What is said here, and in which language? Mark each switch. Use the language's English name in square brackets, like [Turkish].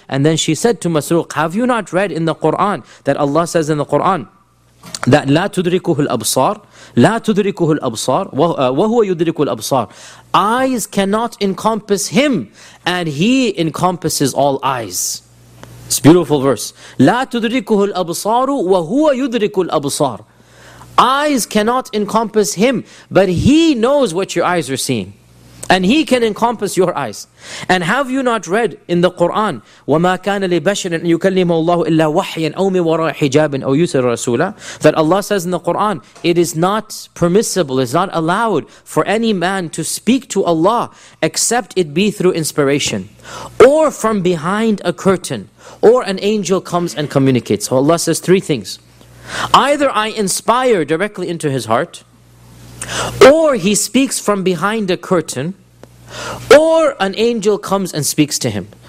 [English] And then she said to Masruq, have you not read in the Quran that Allah says in the Quran that [Arabic] لا تدركه الأبصار لا تدركه الأبصار وهو يدرك الأبصار. [English] Eyes cannot encompass him and he encompasses all eyes. It's a beautiful verse. [Arabic] لا تدركه الأبصار وهو يدرك الأبصار. [English] Eyes cannot encompass him, but he knows what your eyes are seeing. And he can encompass your eyes. And have you not read in the Quran, [Arabic] وَمَا كَانَ لِبَشْرٍ يُكَلِّمُ اللَّهُ إِلَّا وَحْيًا أَوْ مِنْ وَرَاءِ حِجَابٍ أَوْ يُسِرَ رَسُولًا. [English] That Allah says in the Quran, it is not permissible, it's not allowed for any man to speak to Allah except it be through inspiration or from behind a curtain or an angel comes and communicates. So Allah says three things. Either I inspire directly into his heart, or he speaks from behind a curtain, or an angel comes and speaks to him.